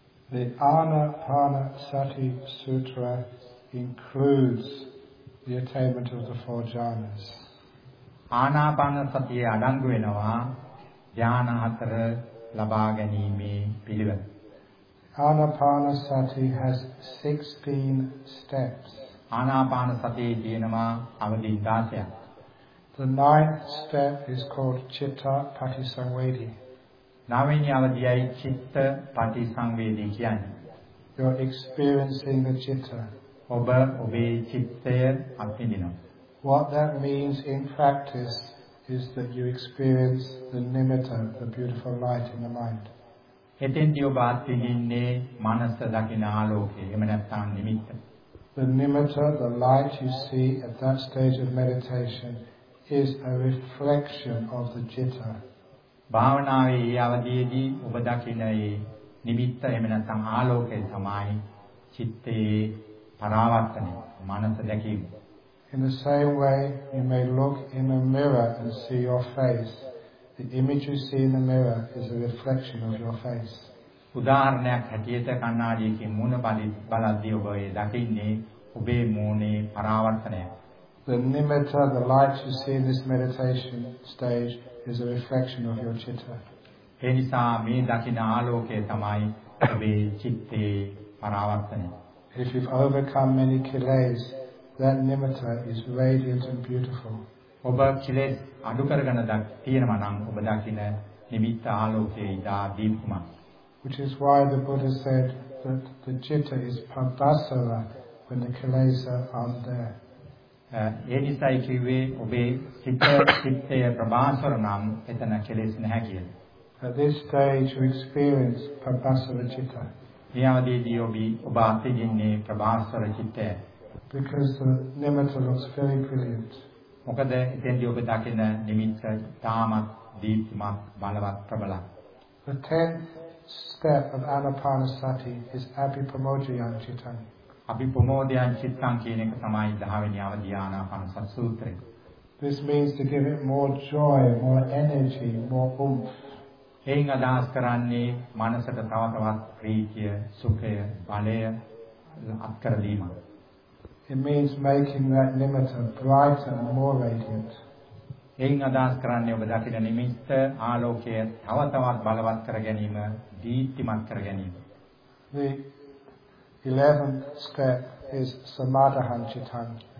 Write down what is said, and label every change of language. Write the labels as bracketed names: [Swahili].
[English] The anapana sati sutra includes the attainment of the four jhanas. [Sinhala] ආනාපාන සතිය අඩංගු වෙනවා ධ්‍යාන හතර ලබා ගැනීමේ පිළිවෙත. [English] ආනාපාන සති has 16 steps. [Sinhala] ආනාපාන සතියේ තියෙනවා අවදි 16ක්. [English] The ninth step is called citta patisamvedi. [Sinhala] නවිනිය අවදියයි චිත්ත පටිසංවේදී කියන්නේ. [English] You're experiencing the citta. [Sinhala] ඔබ ඔබේ චිත්තය අත්විඳිනවා. [English] What that means in practice is that you experience the nimitta, the beautiful light in the mind. [Sinhala] එතෙන්දී ඔබ අත්විඳින්නේ මනස දකින ආලෝකය, එහෙම නැත්නම් නිමිත්ත. [English] The nimitta, the light you see at that stage of meditation, is a reflection of the citta. [Sinhala] භාවනාවේ අවදීදී ඔබ දකින මේ නිමිත්ත, එහෙම නැත්නම් ආලෝකය තමයි චිත්තේ පරාවර්තනය, මනස දැකීම. [English] In the same way, you may look in a mirror and see your face. The image you see in the mirror is a reflection of your face. [Sinhala] උදාහරණයක් හැටියට කණ්ණාඩියකින් මුණ බලද්දී ඔබ ඒ දකින්නේ ඔබේ මූණේ පරාවර්තනයක්. [English] The nimitta, the light you see in this meditation stage, is a reflection of your citta. [Sinhala] ඒ නිසා මේ දකින ආලෝකය තමයි ඔබේ චිත්තේ පරාවර්තනය. [English] If you've overcome many kilesas, that nimitta is radiant and beautiful. [Sinhala] ඔබ කිලෙස් අඩු කරගෙන තියෙනවා නම් ඔබ දකින නිමිත්ත ආලෝකයේ ඉදා දීප්තිමත්. [English] Which is why the Buddha said that the citta is paddassara when the kilesa are there. [Sinhala] ඒ නිසායි කිව්වේ ඔබේ චිත්තය ප්‍රබාසර නම් එතන කෙලෙස් නැහැ කියලා. [English] At this stage we experience paddassara citta. [Sinhala] යාවදීදී ඔබ අත්විඳින්නේ ප්‍රබාසර චිත්තය. [English] Because the nimitta looks very brilliant. [Sinhala] මොකද එතෙන්දී ඔබ දකින නිමිත්ත තාමත් දීප්තිමත් බලවත් ප්‍රබලයි. [English] The tenth step of anapanasati is abhipramodayan citta. [Sinhala] අභිප්‍රමෝදයන් චිත්තං කියන එක තමයි 10 වෙනි අවධිය ආනාපානසති සූත්‍රය. [English] This means to give it more joy, more energy, more oomph. [Sinhala] එයින් අදහස් කරන්නේ මනසට තව තවත් ප්‍රීතිය, සුඛය, බලය අත්කර දීමයි. [English] It means making that nimitta brighter and more radiant. [Sinhala] එයින් අදහස් කරන්නේ ඔබ දකින නිමිත්ත ආලෝකය තව තවත් බලවත් කර ගැනීම, දීප්තිමත් කර ගැනීම. [English] The 11th step is samadhan cittam.